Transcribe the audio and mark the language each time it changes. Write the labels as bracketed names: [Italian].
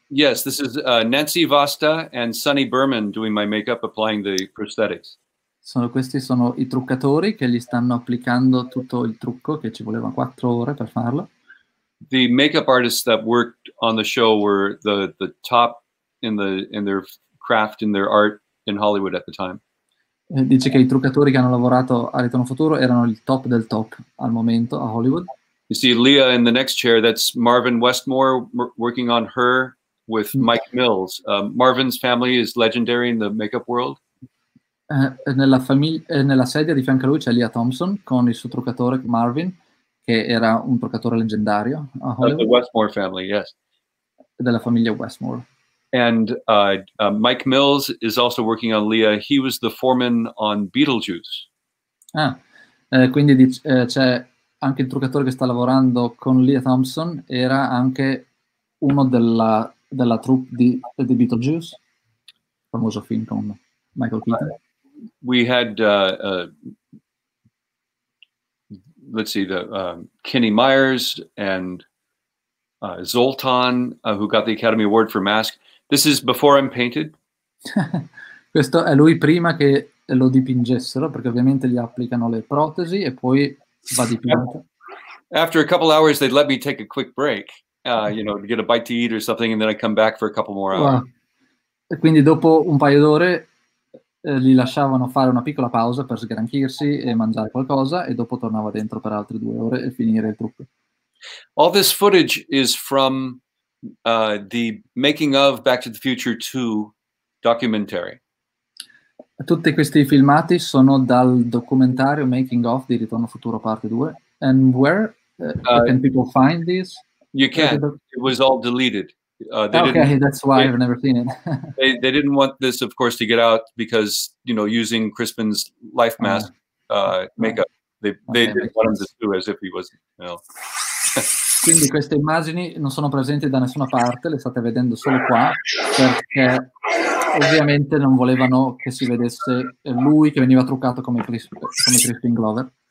[English] Yes, this is Nancy Vasta and Sunny Berman doing my makeup, applying the prosthetics. [Italian] Sono questi sono i truccatori che gli stanno applicando tutto il trucco che ci voleva 4 ore per farlo. [English] The makeup artists that worked on the show were the top in their craft, in their art in Hollywood at the time. [Italian] Dice che i truccatori che hanno lavorato a Ritorno Futuro erano il top del top al momento a Hollywood. [English] You see Leah in the next chair, that's Marvin Westmore working on her with Mike Mills. Marvin's family is legendary in the makeup world. [Italian] Nella sedia di fianco a lui c'è Leah Thompson con il suo truccatore Marvin, che era un truccatore leggendario a Hollywood. [English] The Westmore family, yes. [Italian] Della famiglia Westmore. [English] And Mike Mills is also working on Leah. He was the foreman on Beetlejuice. [Italian] Ah, quindi c'è anche il truccatore che sta lavorando con Leah Thompson, era anche uno della troupe di Beetlejuice, famoso film con Michael Keaton. [English] We had, let's see, the Kenny Myers and Zoltan, who got the Academy Award for Mask. This is before I'm painted. [Italian] Questo è lui prima che lo dipingessero, perché ovviamente gli applicano le protesi e poi va dipinto. [English] After a couple hours, they'd let me take a quick break, you know, to get a bite to eat or something, and then I come back for a couple more hours. Wow. [Italian] E quindi dopo un paio d'ore li lasciavano fare una piccola pausa per sgranchirsi e mangiare qualcosa, e dopo tornava dentro per altre 2 ore e finire il trucco. [English] All this footage is from the making of Back to the Future 2 documentary. [Italian] Tutti questi filmati sono dal documentario Making of di Ritorno Futuro Parte 2. [English] And where can people find this? You can. It was all deleted. That's why I've never seen it. they didn't want this, of course, to get out because, you know, using Crispin's life mask makeup, they didn't want him to do as if he was, you know. [Italian] Quindi queste immagini non sono presenti da nessuna parte, le state vedendo solo qua, perché ovviamente non volevano che si vedesse lui che veniva truccato come Crispin Glover.